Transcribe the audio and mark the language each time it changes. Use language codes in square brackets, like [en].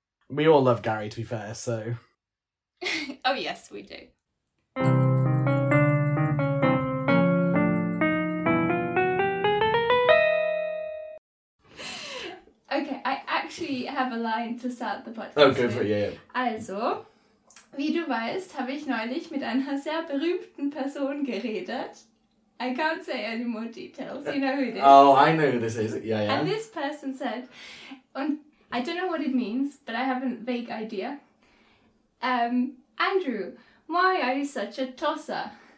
[en] We all love Gary, to be fair, so. Oh, yes, we do. Okay, I actually have a line to start the podcast. Oh, go for it, yeah. [de] Also, wie du weißt, habe ich neulich mit einer sehr berühmten Person geredet. [en] I can't say any more details. You know who this is. Oh, I know who this is. Yeah, yeah. And this person said, and I don't know what it means, but I have a vague idea. Andrew, why are you such a tosser?